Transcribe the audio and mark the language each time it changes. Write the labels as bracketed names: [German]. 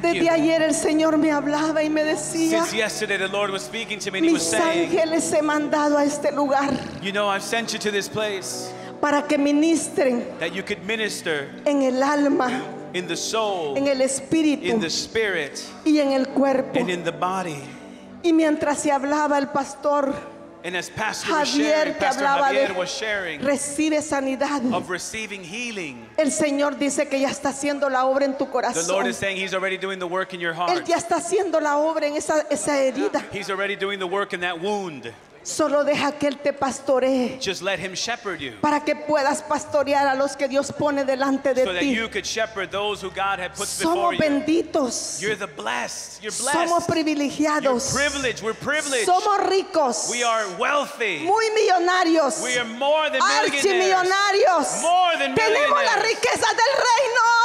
[Spanish] Desde ayer el Señor me hablaba y me decía. [English] Since yesterday the Lord was speaking to me and [Spanish] mis [English] he was saying. [Spanish] Mis ángeles he mandado a este lugar. [English] You know, I've sent you to this place. [Spanish] Para que ministren [English] that you could minister [Spanish] en el alma, [English] in the soul, [Spanish] en el espíritu, [English] in the spirit, [Spanish] y en el cuerpo, [English] and in the body. [Spanish] Y mientras se hablaba el pastor, [English] and as Pastor Javier, was sharing, Pastor Javier was sharing, [Spanish] recibe sanidad, [English] of receiving healing. [Spanish] El Señor dice que ya está haciendo la obra en tu corazón. [English] The Lord is saying He's already doing the work in your heart. [Spanish] Él ya está haciendo la obra en esa herida. [English] He's already doing the work in that wound. [Spanish] Solo deja que Él te pastoree. [English] Just let Him shepherd you. [Spanish] Para que puedas pastorear a los que Dios pone delante de ti. [English] So that you could shepherd those who God had put [Spanish] somos [English] before you. [Spanish] Somos benditos. [English] You're the blessed. You're blessed. [Spanish] Somos privilegiados. [English] You're privileged. We're privileged. [Spanish] Somos ricos. [English] We are wealthy. [Spanish] Muy millonarios. [English] We are more than millionaires. [Spanish] Archimillonarios. [English] More than millionaires. [Spanish] Tenemos la riqueza del reino.